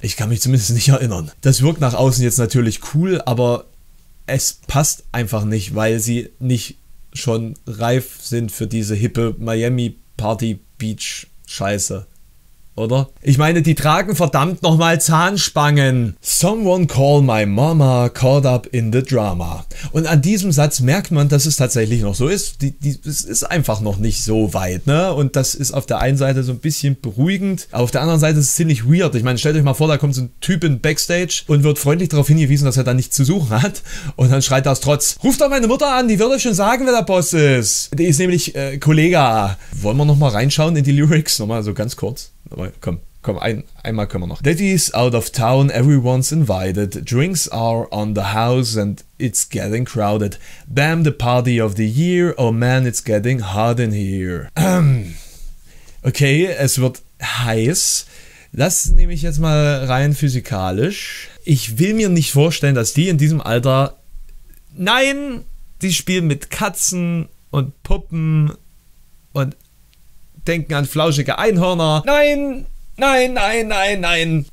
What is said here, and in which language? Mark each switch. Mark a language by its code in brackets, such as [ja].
[de] Ich kann mich zumindest nicht erinnern. Das wirkt nach außen jetzt natürlich cool, aber es passt einfach nicht, weil sie nicht schon reif sind für diese hippe Miami-Party-Beach-Scheiße, oder? Ich meine, die tragen verdammt nochmal Zahnspangen. [en] Someone call my mama, caught up in the drama. [de] Und an diesem Satz merkt man, dass es tatsächlich noch so ist. Es ist einfach noch nicht so weit, ne? Und das ist auf der einen Seite so ein bisschen beruhigend, aber auf der anderen Seite ist es ziemlich weird. Ich meine, stellt euch mal vor, da kommt so ein Typ in Backstage und wird freundlich darauf hingewiesen, dass er da nichts zu suchen hat. Und dann schreit er aus Trotz, ruft doch meine Mutter an, die würde schon sagen, wer der Boss ist. Die ist nämlich Kollega. Wollen wir nochmal reinschauen in die Lyrics? Nochmal so ganz kurz. Aber komm, einmal können wir noch. [en] Daddy's out of town, everyone's invited. Drinks are on the house and it's getting crowded. Bam, the party of the year. Oh man, it's getting hot in here. [de] Okay, es wird heiß. Das nehme ich jetzt mal rein physikalisch. Ich will mir nicht vorstellen, dass die in diesem Alter... Nein, die spielen mit Katzen und Puppen und... Denken an flauschige Einhörner. Nein, nein, nein, nein, nein.